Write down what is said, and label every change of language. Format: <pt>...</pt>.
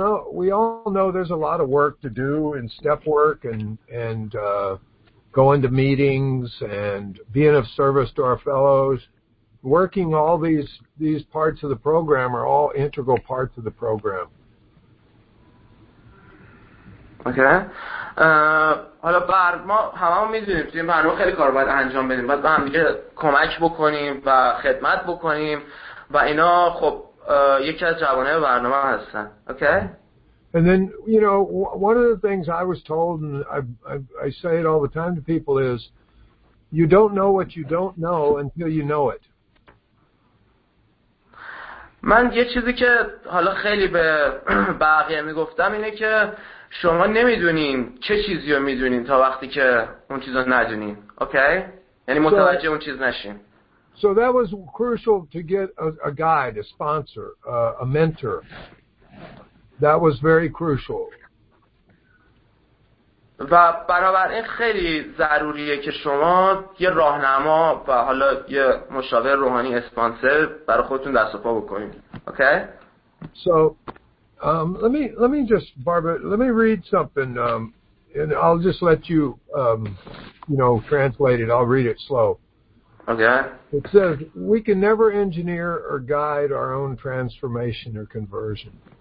<en>We all know there's a lot of work to do in step work and going to meetings and being of service to our fellows. Working all these parts of the program are all integral parts of the program. Okay.</en> <fa>حالا بر ما همون میدونیم چه برنامه خیلی کار باید انجام بدیم، باید با هم دیگه کمک بکنیم و خدمت بکنیم و اینا، خب یکی از جوانب برنامه هستن.</fa> <en>Okay. And then, you know, one of the things I was told and I say it all the time to people is you don't know what you don't know until you know it.</en> <fa>من یه چیزی که حالا خیلی به بقیه میگفتم اینه که شما نمیدونین چه چیزی رو میدونین تا وقتی که اون چیز رو ندونین. اوکی؟ یعنی متوجه اون چیز نشین.</fa> <en>So that was crucial to get a guide, a sponsor, a mentor. That was very crucial.</en> <fa>و بنابراین خیلی ضروریه که شما یه راهنما و حالا یه مشاور روحانی اسپانسر برای خودتون دست و پا بکنید. اوکی؟</fa> <en>So let me just Barbara, let me read something and I'll just let you you know translate it. I'll read it slow. Okay. It says we can never engineer or guide our own transformation or conversion.</en>